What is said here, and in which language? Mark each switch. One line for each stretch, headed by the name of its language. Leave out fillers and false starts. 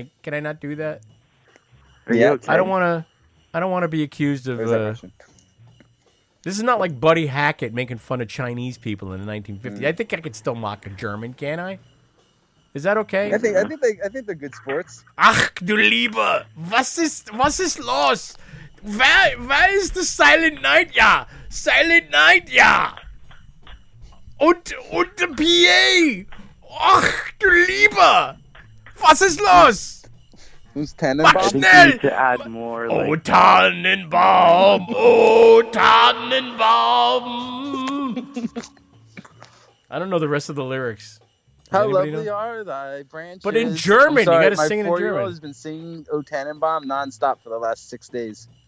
English: Can I not do that? Okay? I don't want to be accused of. This is not like Buddy Hackett making fun of Chinese people in the 1950s. I think I could still mock a German, can I? Is that okay? I think they're good sports.
German: Ach du lieber, was ist los? Wer ist
English: the Silent Night? Ja, Silent Night. Ja.
German: Und
English: the PA.
German: Ach du lieber, was ist los?
English: Who's Tannenbaum? I think you need to add more. Like... Oh, Tannenbaum! Oh, Tannenbaum! I don't know the rest of the lyrics. How lovely know? Are thy branches? But in German, sorry, you got to sing it in German. My 4-year-old has been singing "Oh Tannenbaum" nonstop for the last 6 days.